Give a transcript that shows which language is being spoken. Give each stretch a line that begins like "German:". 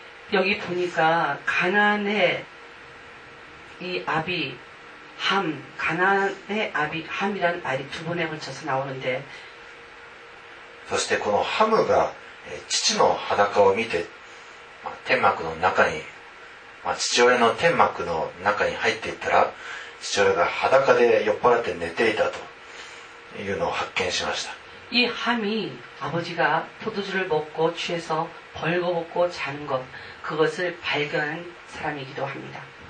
Korean: 여기 보니까 가난의 이 아비 함, 가난의 아비 함이란 말이 두 번에 걸쳐서 나오는데.
Japanese: そしてこのハムが父の裸を見て天幕の中に 父親の天幕の中に入っていったら父親が裸で酔っ払って寝ていたというのを発見しました。
Korean: 이 함이 아버지가 포도주를 먹고 취해서 벌거벗고 자는 것 그것을 발견한 사람이기도 합니다.